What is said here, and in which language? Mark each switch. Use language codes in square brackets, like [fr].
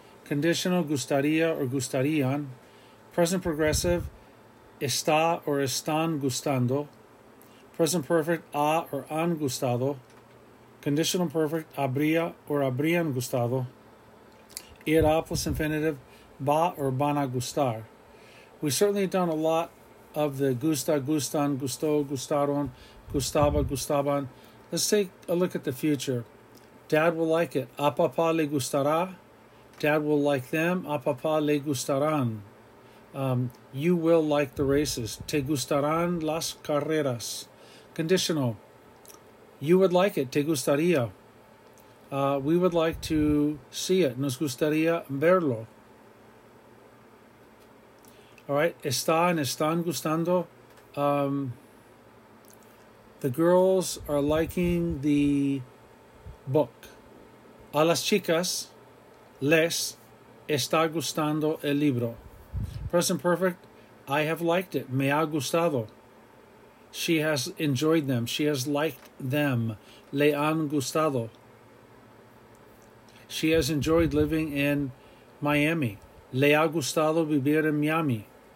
[en] Conditional, gustaría or gustarían. Present progressive, está or están gustando. Present perfect, ha or han gustado. Conditional perfect, habría or habrían gustado. Irá plus infinitive, va or van a gustar. We've certainly done a lot of the gusta, gustan, gusto, gustaron, gustaba, gustaban. Let's take a look at the future. Dad will like it. [es] A papá le gustará. [en] Dad will like them. [es] A papá le gustarán. [en] You will like the races. [es] Te gustarán las carreras. [en] Conditional. You would like it. [es] Te gustaría. [en] We would like to see it. [es] Nos gustaría verlo. [en] All right. [es] Están, están gustando. [en] The girls are liking the book. [es] A las chicas les está gustando el libro. [en] Present perfect, I have liked it. [es] Me ha gustado. [en] She has enjoyed them. She has liked them. [es] Le han gustado. [en] She has enjoyed living in Miami. [es] Le ha gustado vivir en Miami.